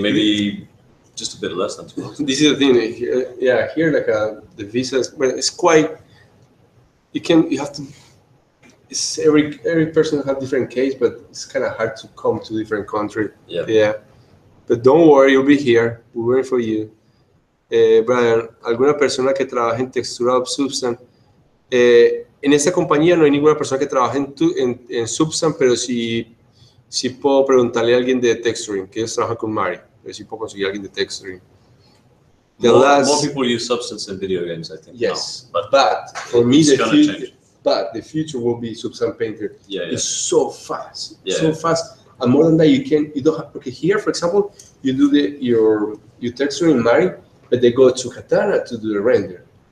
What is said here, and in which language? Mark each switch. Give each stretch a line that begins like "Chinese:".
English: Maybe just a bit less than 2 months. This is the thing. Here, like the visa, it's quite... It's every person has different case, but it's kind of hard to come to different country. Yeah. But don't worry, you'll be here. We're waiting for you.
Spanish: Brian, alguna persona que trabaje en texturado Substan. En esa compañía no hay ninguna persona que trabaje en Substan, pero si puedo preguntarle a alguien de texturing, que ellos trabajan con Mari, pero si puedo conseguir a alguien de texturing.
English: More people use Substance in video games, I think. Yes, no, but for me, the future will be Substance Painter. Yeah. It's so fast, fast, and more than that, here, for example, you do your texture in Mari, but they go to Katana to do the render.